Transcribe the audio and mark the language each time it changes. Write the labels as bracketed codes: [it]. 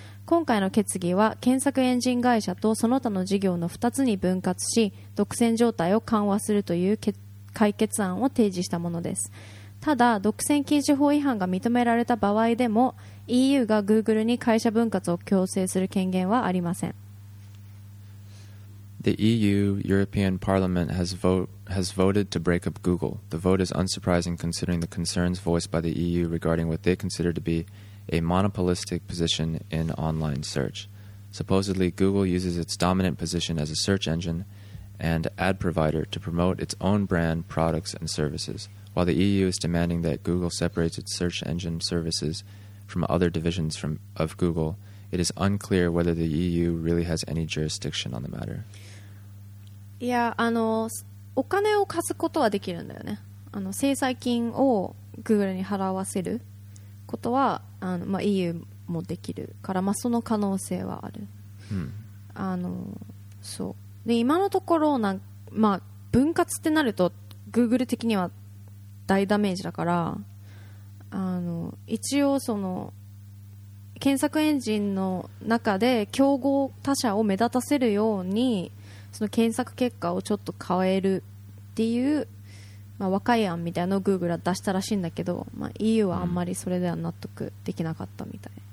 [ja] 今回の決議は検索エンジン会社とその他の事業の2つに分割し、独占状態を緩和するという解決案を提示したものです。ただ、独占禁止法違反が認められた場合でも、EU が Google に会社分割を強制する権限はありません。 [en] The EU European Parliament has voted to break up Google. The vote is unsurprising considering the concerns voiced by the EU regarding what they consider to be a monopolistic position in online search. Supposedly, Google uses its dominant position as a search engine and ad provider to promote its own brand, products, and services, while the EU is demanding that Google separates its search engine services from other divisions of Google. It is unclear whether the EU really has any jurisdiction on the matter. [ja] いや、あのお金を貸すことはできるんだよね。あの制裁金を Google に払わせることは、あの、まあ、EU もできるから、まあ、その可能性はある、うん、あのそうで今のところな、まあ、分割ってなると Google 的には大ダメージだから、あの一応その検索エンジンの中で競合他社を目立たせるようにその検索結果をちょっと変えるっていう、まあ、若い案みたいなのを Google は出したらしいんだけど、まあ、EU はあんまりそれでは納得できなかったみたい。